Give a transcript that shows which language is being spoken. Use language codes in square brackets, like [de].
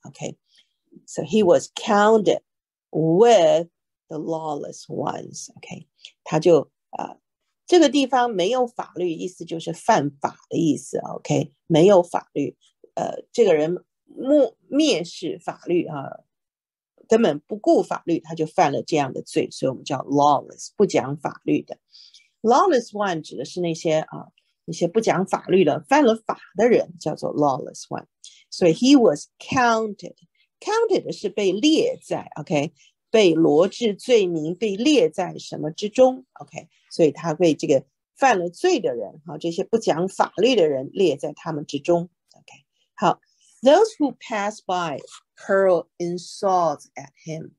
[en] Okay, so he was counted with the lawless ones. Okay, [zh] 他就这个地方没有法律，意思就是犯法的意思。 OK，没有法律，这个人蔑视法律啊，根本不顾法律，他就犯了这样的罪，所以我们叫 lawless，不讲法律的。 lawless one 指的是那些啊，那些不讲法律的、犯了法的人，叫做 lawless one。所以 [en] he was counted [zh] 的是被列在 OK。被罗织罪名被列在什么之中？OK，所以他被这个犯了罪的人，哈，这些不讲法律的人列在他们之中。 [en] OK， [zh] 好， [en] those who pass by hurl insults at him。